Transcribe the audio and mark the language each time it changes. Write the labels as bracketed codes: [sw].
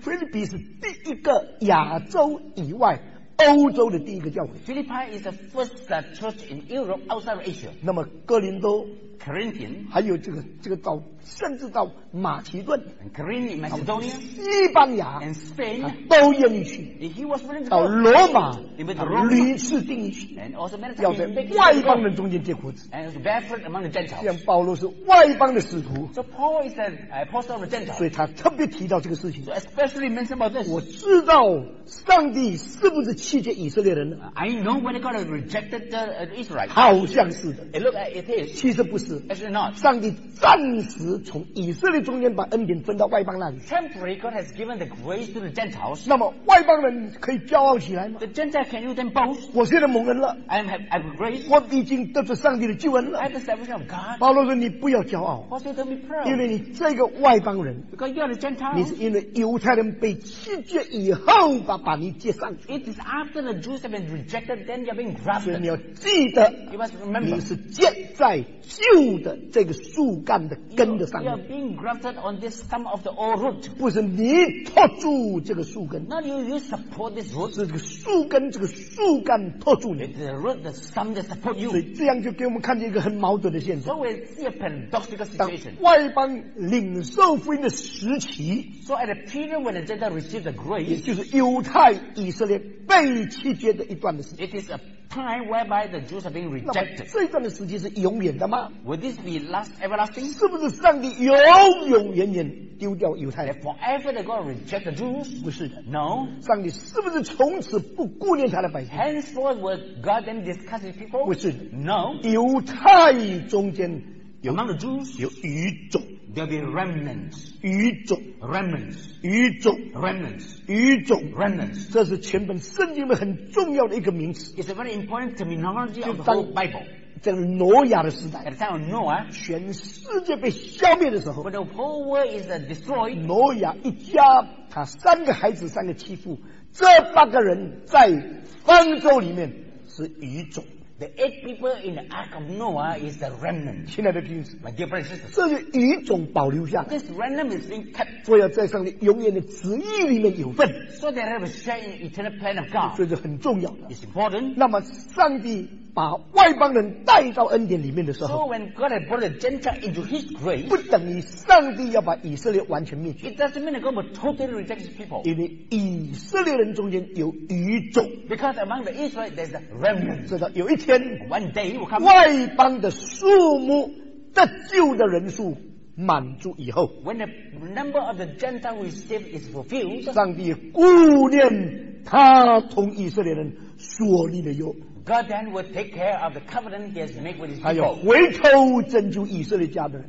[zh] 腓立比是第一个亚洲以外欧洲的第一个教会。 [en] Philippi is the first church in Europe outside of Asia. [zh] 那么哥林多 [en] Corinthian [zh] 还有这个到甚至到马其顿 [en] Corinthian, Macedonia [zh] 西班牙 [en] and Spain [zh] 都愿意去。 [en] He was willing to go [zh] 到罗马屡次定义去 [en] and also many times [zh] 要在外邦人中间结裤子 [en] and was barefoot among the Gentiles. [zh] 像保罗是外邦的使徒 [en] So Paul is an apostle of the Gentiles. [zh] 所以他特别提到这个事情 [en] So especially mentioned about this. [zh] 我知道上帝是不是弃绝以色列人 [en] 呢 I know when God rejected Israel. [zh] 好像是的 [en] It looks like it is. [zh] 其实不是 [en] Actually not. [zh] 上帝暂时从以色列中间把恩典分到外邦那里 [en] Temporary God has given the grace to the Gentiles. [zh] 那么外邦人可以骄傲起来吗 [en] The Gentiles can you then boast? [zh] 我现在蒙恩了 [en] I have grace. [zh] 我已经得着上帝的救恩了 [en] I have the salvation of God. [zh] 保罗说你不要骄傲 [en] Why should you be proud? [zh] 因为你这个外邦人 [en] Because you are the Gentiles. [zh] 你是因为犹太人被弃绝以后把你接上去 [en] It is after the Jews have been rejected then you have been grafted [zh] 所以你要记得 [en] You must remember [zh] 你是接在旧的这个树干的根的上面 [en] You are being grafted on this stem of the old root [zh] 不是你托住这个树根 [en] Not you support this root [zh] 是这个树根这个树干托住你 [en] It is the root the stem that support you [zh] 所以这样就给我们看见一个很矛盾的现象 [en] So we see a paradoxical situation [zh] 当外邦领受福音的时期 [en] So at a period when the Gentiles received the grace [zh] 也就是犹太以色列被弃绝的一段的时间 [en] It is a time whereby the Jews are being rejected [zh] 这一段的时期是永远的吗 [en] Will this be last everlasting? [zh] 是不是上帝永永远远丢掉犹太人 [en] Forever they're going to reject the Jews? [zh] 不是的 [en] No [zh] 上帝是不是从此不顾念他的百姓 [en] Henceforth will God then discuss with people? [zh] 不是的 [en] No [zh] 犹太中间有 [en] Among the Jews [zh] 有余种 [en] There'll be remnants [zh] 余种 [en] Remnants [zh] 余种 [en] Remnants [zh] 余种 [en] Remnants [zh] 这是全本圣经里面很重要的一个名词 [en] It's a very important terminology of the whole Bible [zh] 在挪亚的时代 [en] At the time of Noah [zh] 全世界被消灭的时候 [en] When the whole world is destroyed [zh] 挪亚一家他三个孩子三个妻妇这八个人在方舟里面是余种 [en] The eight people in the ark of Noah is the remnant [zh] 亲爱的弟兄姊 [en] 妹 My dear brothers and sisters [zh] 这是余种保留下 [en] This remnant is being kept [zh] 所以要在上帝永远的旨意里面有份 [en] So they have a share in the eternal plan of God [zh] 所以这很重要 [en] It's important [zh] 那么上帝把外邦人带到恩典里面的时候 [en] So when God had brought the Gentiles into his grace [zh] 不等于上帝要把以色列完全灭绝 [en] It doesn't mean that God will totally reject his people [zh] 因为以色列人中间有余种 [en] Because among the Israel there's a remnant [zh] 直到有一天 [en] One day will come [zh] 外邦的数目得救的人数满足以后 [en] When the number of the Gentiles who is saved is fulfilled [zh] 上帝顾念他同以色列人所立的约 [en] God then will take care of the covenant he has made with his people. [zh] 还有回头拯救以色列家的人。